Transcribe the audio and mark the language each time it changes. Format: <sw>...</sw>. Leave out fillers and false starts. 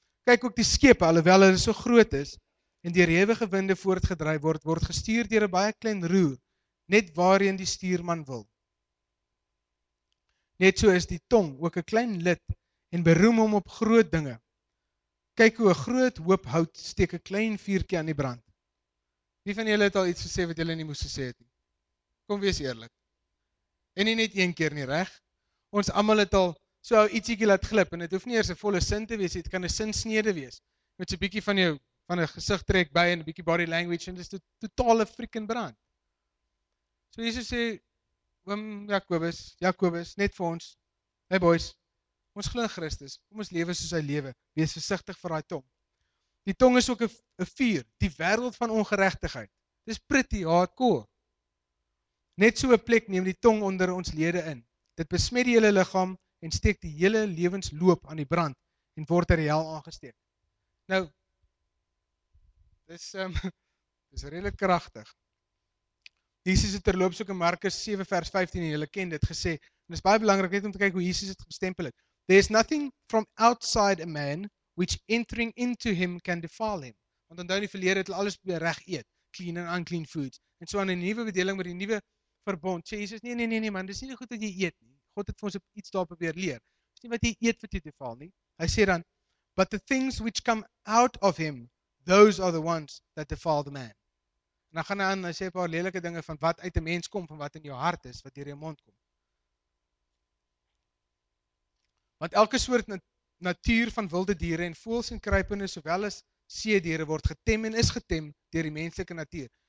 <af>Kyk ook die skepe, alhoewel hulle so groot is en deur ewige winde voortgedryf word, word gestuur deur 'n baie klein roer, net waarheen die stuurman wil. Net so is die tong ook 'n klein lid en beroem hom op groot dinge. Kyk hoe 'n groot hoop hout steek 'n klein vuurtjie aan die brand. Wie van julle het al iets gesê wat julle nie moes gesê het nie? Kom wees eerlik. En nie net een keer nie, reg? Ons almal het al so ietsiekie laat glip en dit hoef nie eers 'n volle sin te wees, dit kan 'n sinsnede wees. Met so 'n bietjie van jou van 'n gesig trek by en 'n bietjie body language en dit is 'n totale freaking brand. So Jesus sê oom Jakobus, Jakobus net vir ons. Hey boys. Ons glo in Christus, kom ons lewe soos hy lewe, wees versigtig vir daai tong. Die tong is ook 'n vuur, die wêreld van ongeregtigheid. Dis pretty hardcore. Net so 'n plek neem die tong onder ons lede in. Dit besmet die hele liggaam en steek die hele lewensloop aan die brand en word ter hel aangesteek. Nou, dis redelik kragtig. Jesus het terloops ook in Markus 7 vers 15, en julle ken dit, gesê, en dis baie belangrik net om te kyk hoe Jesus dit gestempel het.</af> <en>There is nothing from outside a man which entering into him can defile him.</en> <af>Want onthou die verlede het hulle alles reg eet,</af> <en>clean and unclean foods.</en> <af>En so aan 'n nuwe bedeling met die nuwe verbond, sê Jesus, nee man, dis nie goed wat jy eet nie. God het vir ons iets daar probeer leer. Dis nie wat jy eet wat jy defile nie. Hy sê dan,</af> <en>but the things which come out of him, those are the ones that defile the man.</en> <af>En dan gaan hy aan, hy sê 'n paar lelike dinge van wat uit 'n mens kom, van wat in jou hart is, wat deur jou mond kom. Want elke soort natuur van wilde diere en voëls en kruipende sowel as seediere word getem en is getem deur die menslike natuur.</af>